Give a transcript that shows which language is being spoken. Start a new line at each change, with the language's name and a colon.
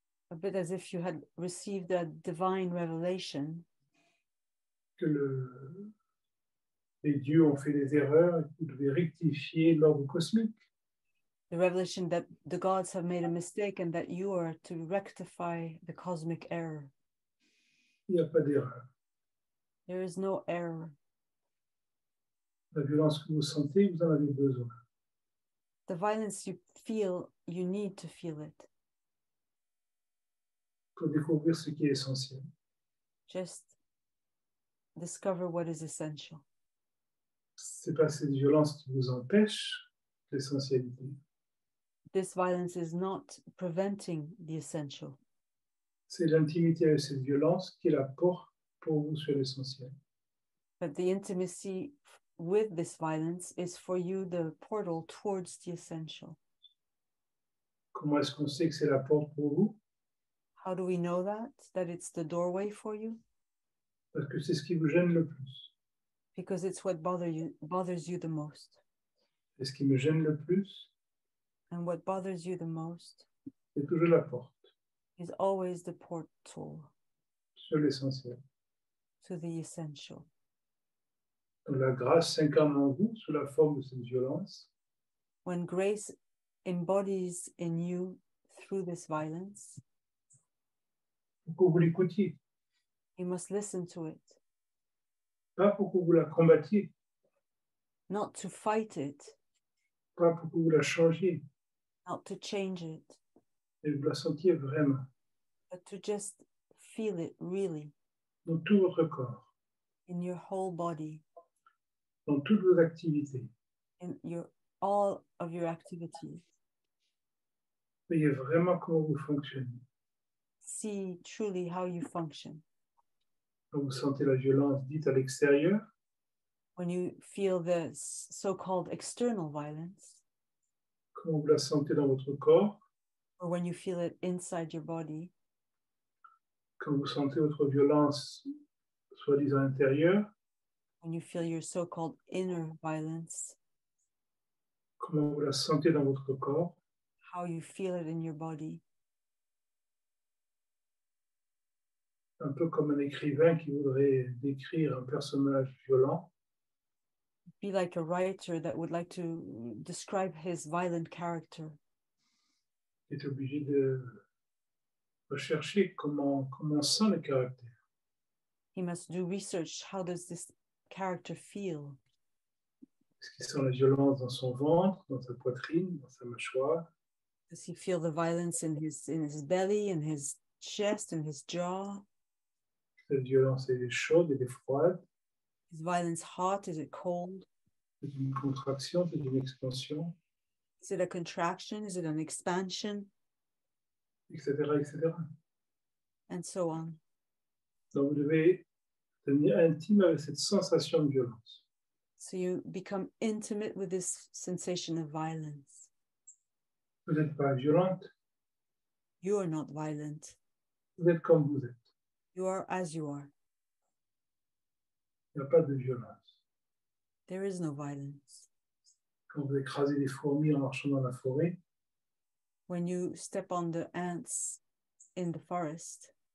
English: A bit as if you had received a divine revelation.
French: Que les dieux ont fait des erreurs et vous devez rectifier l'ordre cosmique.
English: The revelation that the gods have made a mistake and that you are to rectify the cosmic error.
French: Il n'y a pas d'erreur.
English: There is no error.
French: La violence que vous sentez, vous en avez besoin.
English: The violence you feel, you need to feel it.
French: Pour découvrir ce qui est essentiel.
English: Just discover what is essential.
French: Ce n'est pas cette violence qui vous empêche l'essentialité.
English: This violence is not preventing the essential.
French: C'est l'intimité avec cette violence qui est la porte pour vous sur l'essentiel.
English: But the intimacy with this violence is for you the portal towards the essential.
French: Comment est-ce qu'on sait que c'est la porte pour vous?
English: How do we know that it's the doorway for you?
French: Parce que c'est ce qui vous gêne le plus.
English: Because it's what bothers you the most.
French: C'est ce qui me gêne le plus.
English: And what bothers you the most.
French: C'est toujours la porte.
English: Is always the portal.
French: Sur l'essentiel.
English: To the essential.
French: Quand la grâce s'incarne en vous sous la forme de cette violence.
English: When grace embodies in you through this violence.
French: Pour que vous l'écoutiez.
English: You must listen to it.
French: Pas pour que vous la combattiez.
English: Not to fight it.
French: Pas pour que vous la changiez.
English: not to change it,
French: et de la sentir vraiment,
English: but to just feel it really,
French: dans tout votre corps,
English: in your whole body,
French: dans toutes vos activités,
English: in your, all of your activities.
French: Voyez vraiment comment vous fonctionnez.
English: See truly how you function.
French: Quand vous sentez la violence dite à l'extérieur,
English: when you feel the so-called external violence,
French: quand vous la sentez dans votre corps,
English: or when you feel it inside your body,
French: quand vous sentez votre violence soi-disant intérieure,
English: when you feel your so-called inner violence,
French: comment vous la sentez dans votre corps,
English: how you feel it in your body,
French: un peu comme un écrivain qui voudrait décrire un personnage violent.
English: Be like a writer that would like to describe his violent character.
French: Il est obligé de rechercher comment sent le caractère.
English: He must do research. How does this character feel?
French: Est-ce qu'il sent la violence dans son ventre, dans sa poitrine, dans sa mâchoire?
English: Does he feel the violence in his belly, in his chest, in his jaw?
French: La violence est chaude, elle est froide.
English: Is violence hot? Is it cold?
French: C'est une contraction, c'est une expansion.
English: Is it a contraction? Is it an expansion?
French: Etc., etc.
English: And so on.
French: Donc vous devez devenir intime avec cette sensation de violence.
English: So you become intimate with this sensation of violence.
French: Vous n'êtes pas violente.
English: You are not violent.
French: Vous êtes comme vous êtes.
English: You are as you are.
French: Il n'y a pas de violence.
English: There is no violence.
French: Quand vous écrasez des fourmis en marchant dans la forêt,
English: when you step on the ants in the forest,